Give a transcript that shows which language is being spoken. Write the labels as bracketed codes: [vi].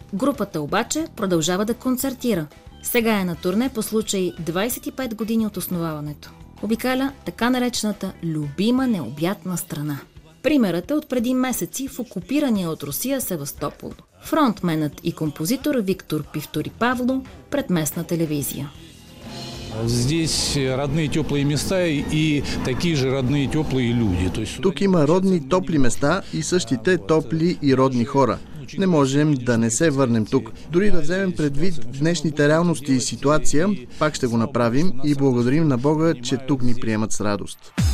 [bg] Групата обаче продължава да концертира. Сега е на турне по случай 25 години от основаването. Обикаля така наречената любима необятна страна. Примерът е от преди месеци в окупирания от Русия Севастопол. Фронтменът и композитор Виктор Пивтори Павло пред местна телевизия. [ru] Здесь родные теплые места и такие же родные теплые люди. [bg] Тук има родни топли места и същите топли и родни хора. Не можем да не се върнем тук. Дори да вземем предвид днешните реалности и ситуация, пак ще го направим и благодарим на Бога, че тук ни приемат с радост.